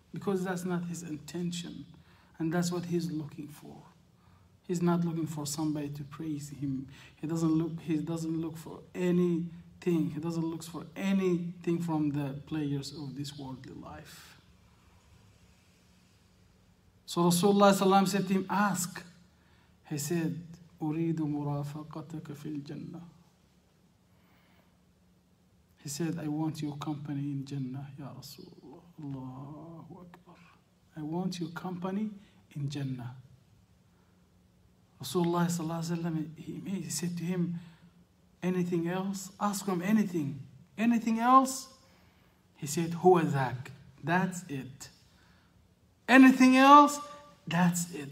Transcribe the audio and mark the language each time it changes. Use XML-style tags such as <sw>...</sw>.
<en>Because that's not his intention. And that's what he's looking for. He's not looking for somebody to praise him. He doesn't look for anything. He doesn't look for anything from the players of this worldly life. So Rasulullah sallallahu alayhi wa sallam said to him, ask. He said,</en> <ar>أريد مرافقتك في الجنة.</ar> <en>He said, I want your company in Jannah, Ya Rasulullah. Allahu Akbar. I want your company in Jannah. Rasulullah sallallahu alayhi wa sallam, he said to him, anything else? Ask him anything. Anything else? He said,</en> <ar>huwa dhak.</ar> <en>That's it. Anything else? That's it.</en>